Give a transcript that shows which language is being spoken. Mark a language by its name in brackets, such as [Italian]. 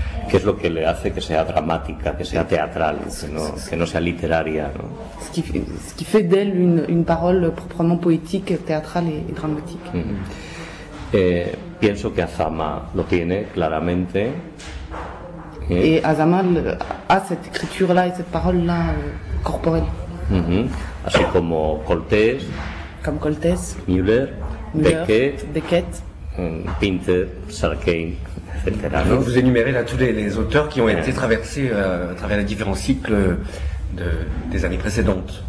[Spanish] ¿Qué es lo que le hace que sea dramática, que sea teatral, que no sea literaria, ¿no? [French] Ce qui fait d'elle une parole proprement poétique, théâtrale et dramatique. Mm-hmm. [Spanish] Pienso que Azama lo tiene claramente. [French] Et Azama a cette écriture-là et cette parole-là corporelle. [Spanish] Mm-hmm. Así como Coltès. [French] Comme Coltès. Müller. Beckett, Pinter, Sarkane, etc. Je vais vous énumérer là tous les auteurs qui ont été traversés à travers les différents cycles des années précédentes.